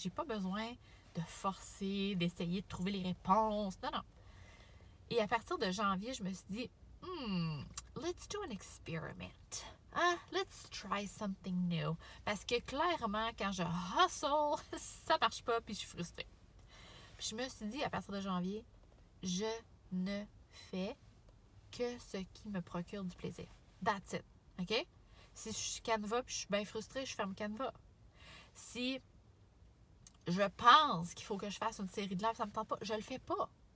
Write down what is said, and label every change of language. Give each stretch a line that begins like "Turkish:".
French: J'ai pas besoin de forcer, d'essayer de trouver les réponses. Non, non. Et à partir de janvier, je me suis dit,
English: let's do an experiment. Ah, let's try something new.
French: Parce que clairement, quand je hustle, ça marche pas, puis je suis frustrée. Puis je me suis dit, à partir de janvier, je ne fais que ce qui me procure du plaisir.
English: That's it.
French: OK? Si je suis Canva, puis je suis bien frustrée, je ferme Canva. Si je pense qu'il faut que je fasse une série de lives, ça ne me tente pas, je le fais pas.